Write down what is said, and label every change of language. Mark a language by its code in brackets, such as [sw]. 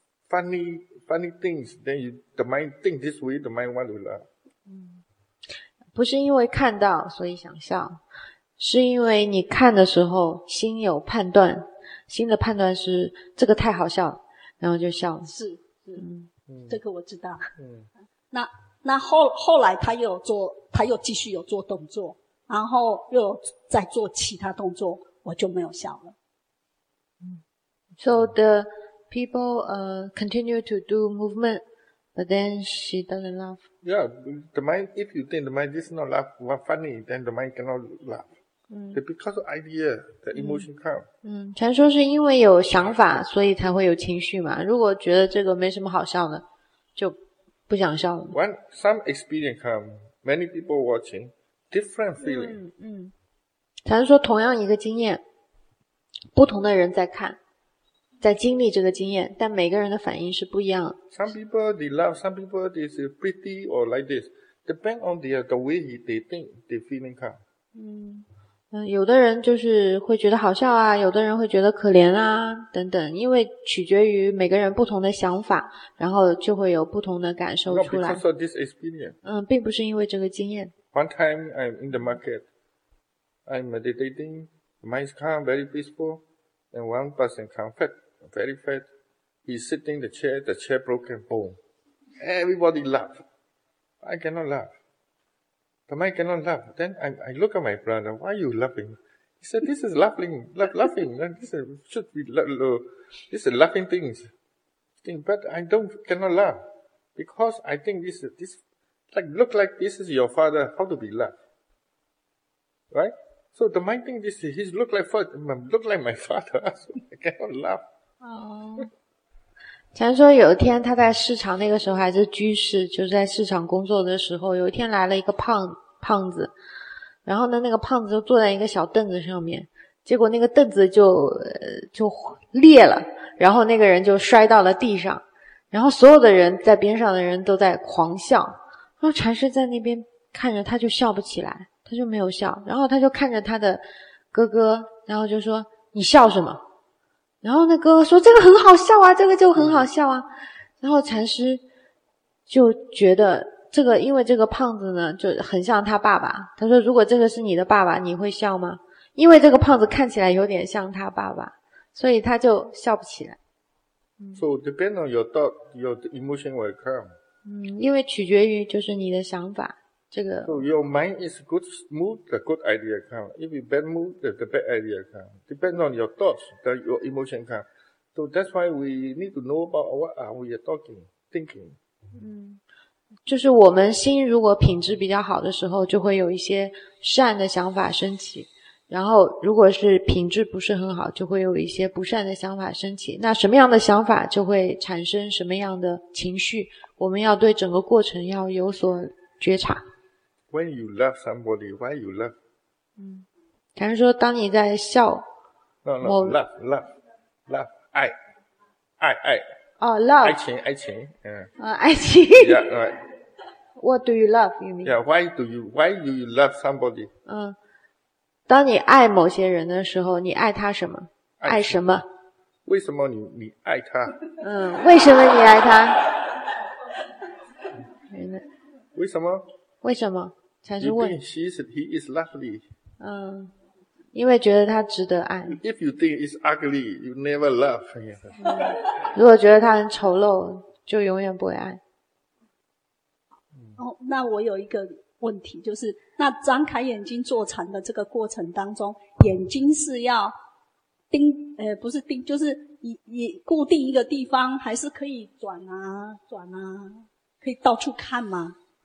[en] This is funny things. Then you, the mind think this way, the mind want to laugh. [zh] 不是因为看到所以想笑，是因为你看的时候心有判断，心的判断是这个太好笑，然后就笑了。是。这个我知道。那后来他又继续有做动作，然后又再做其他动作，我就没有笑了。 [en] So the people continue to do movement, but then she doesn't laugh. Yeah, the mind. If you think the mind is not laugh, what funny? Then the mind cannot laugh. But because of idea, the emotion come. [zh] 传说是因为有想法，所以才会有情绪嘛。如果觉得这个没什么好笑的。就不想笑了。 [en] When some experience come, many people watching, different feeling. [zh] 禅师说同样一个经验，不同的人在看，在经历这个经验，但每个人的反应是不一样的。 [en] Some people they love, some people they say pretty or like this. Depend on the way they think, the feeling come. [zh] 有的人就是会觉得好笑啊，有的人会觉得可怜啊，等等，因为取决于每个人不同的想法，然后就会有不同的感受出来。 [en] Not because of this experience. [zh] 并不是因为这个经验。 [en] One time I'm in the market, I'm meditating, mind's calm, very peaceful, and one person come fat, very fat. He's sitting in the chair broken, boom. Everybody laugh. I cannot laugh. The mind cannot laugh. Then I look at my brother, why are you laughing? He said, this is laughing, laughing. This is, should be, this is laughing things. But I cannot laugh. Because I think this, like, look like this is your father, how to be laugh? Right? So the mind thinks this, he look like, look like my father, so I cannot laugh. Oh. [zh] 禅师说有一天他在市场，那个时候还是居士，就是在市场工作的时候，有一天来了一个胖子，然后呢那个胖子就坐在一个小凳子上面，结果那个凳子就裂了，然后那个人就摔到了地上，然后所有的人在边上的人都在狂笑，然后禅师在那边看着他就笑不起来，他就没有笑，然后他就看着他的哥哥，然后就说你笑什么，然后那哥说这个很好笑啊，这个就很好笑啊。然后禅师就觉得这个，因为这个胖子呢就很像他爸爸，他说如果这个是你的爸爸你会笑吗？因为这个胖子看起来有点像他爸爸，所以他就笑不起来。 [en] So depend on your thought, your emotion will come. [zh] 因为取决于就是你的想法。这个。 [en] So your mind is good mood, the good idea come. If you bad mood, the bad idea come. Depends on your thoughts, that your emotion come. So that's why we need to know about what are we talking, thinking. [zh] 嗯，就是我们心如果品质比较好的时候，就会有一些善的想法升起。然后如果是品质不是很好，就会有一些不善的想法升起。那什么样的想法就会产生什么样的情绪，我们要对整个过程要有所觉察。 [en] When you love somebody, why you love? [zh] 嗯，假如说当你在笑 [en] No, love, love, love, [zh] 爱爱爱 [en] 哦、oh, love. [zh] 爱情爱情嗯。爱情。 [en] Yeah, right. What do you love, you mean? Yeah, why do you love somebody? 嗯。 [zh] 当你爱某些人的时候，你爱他什么？爱什么？为什么你爱他？嗯，为什么你爱他？为什么？为什么？才是问。 [en] He is lovely. [zh] 嗯，因为觉得他值得爱。 [en] If you think he's ugly, you never love him. [zh] 如果觉得他很丑陋，就永远不会爱。哦，那我有一个问题，就是那张开眼睛坐禅的这个过程当中，眼睛是要盯不是盯，就是以固定一个地方，还是可以转啊转啊，可以到处看吗？